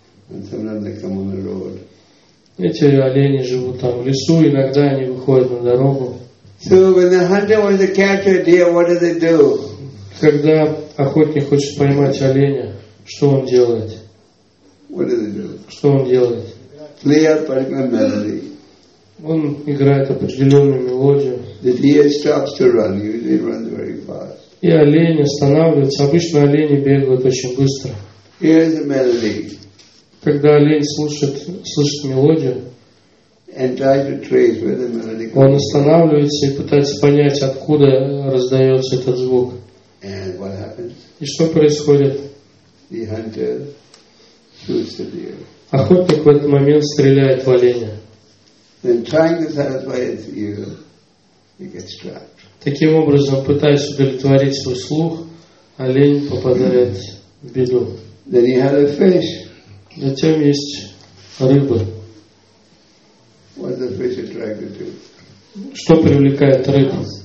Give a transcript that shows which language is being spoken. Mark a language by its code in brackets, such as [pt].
[ru] Эти олени живут там в лесу, иногда они выходят на дорогу. [en] So when the hunter wants to catch a deer, what does he do? [ru] Когда охотник хочет поймать оленя, что он делает? [en] What does he do? [ru] Что он делает? [en] Play a particular melody. [ru] Он играет определенную мелодию. [en] The deer stops to run. Usually runs very fast. [ru] И олень останавливается. Обычно олени бегают очень быстро. [en] Here's a melody. [ru] Когда олень слышит мелодию, [en] and try to trace where the melody comes. [ru] Он останавливается и пытается понять, откуда раздается этот звук. [en] And what happens? [ru] И что происходит? [en] The hunter shoots the deer. [ru] Охотник в этот момент стреляет в оленя. [en] Then trying to satisfy his ear, he gets trapped. [ru] Таким образом, пытаясь удовлетворить свой слух, олень попадает в беду. [en] Then he had a fish. [ru] Затем есть рыба. [en] What the fish attracted to? [ru] Что привлекает рыбу?